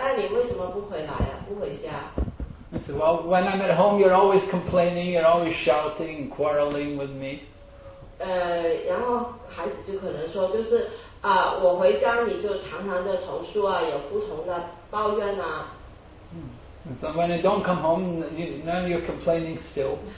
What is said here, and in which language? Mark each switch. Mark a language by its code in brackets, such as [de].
[zh] 但是当孩子大了以后，不常常回家，可能妈妈就会常常说，哎，你为什么不回来呀？不回家。 [en] Well, when I'm at home, you're always complaining, you're always shouting, quarreling with me. [zh] 然后孩子就可能说，就是啊，我回家你就常常的投诉啊，有不同的抱怨啊。 [en] So when I don't come home, now you're complaining still.